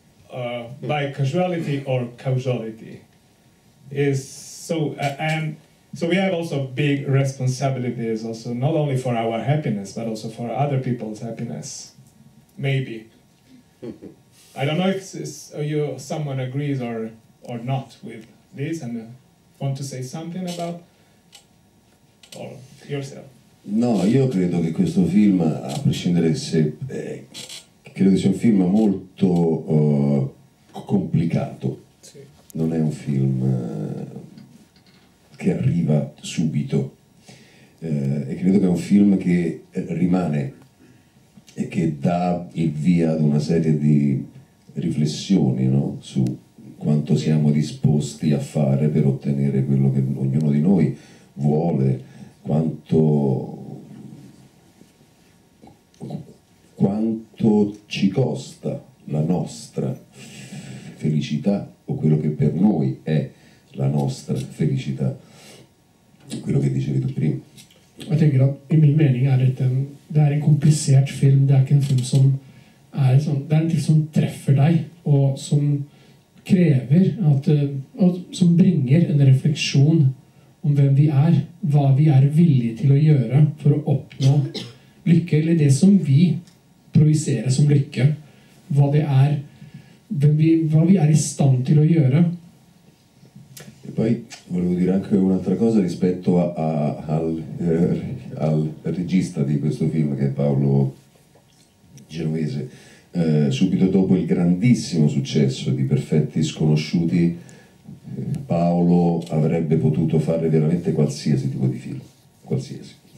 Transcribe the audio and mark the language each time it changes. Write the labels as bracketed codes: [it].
[en] by causality or causality is so and so we have also big responsibilities also not only for our happiness but also for other people's happiness maybe. I don't know if someone agrees or not with this and want to say something about or yourself. [it] No, io credo che questo film, a prescindere se credo sia un film molto complicato, sì. Non è un film che arriva subito. E credo che è un film che rimane e che dà il via ad una serie di riflessioni, no? Su quanto siamo disposti a fare per ottenere quello che ognuno di noi vuole, quanto ci costa la nostra felicità, o quello che per noi è la nostra felicità, quello che dicevi tu prima. [no] Jeg tenker at i min mening er dette det er en komplisert film. Det er ikke en film som er sånn, det er en film som treffer deg og som krever at, og som bringer en refleksjon om hvem vi er, hva vi er villige til å gjøre for å oppnå lykke, eller det som vi projicerer som lykke, hva det er, hva vi er i stand til å gjøre. [it] Poi volevo dire anche un'altra cosa rispetto al regista di questo film, che è Paolo Genovese. Subito dopo il grandissimo successo di Perfetti Sconosciuti, Paolo avrebbe potuto fare veramente qualsiasi tipo di film, qualsiasi.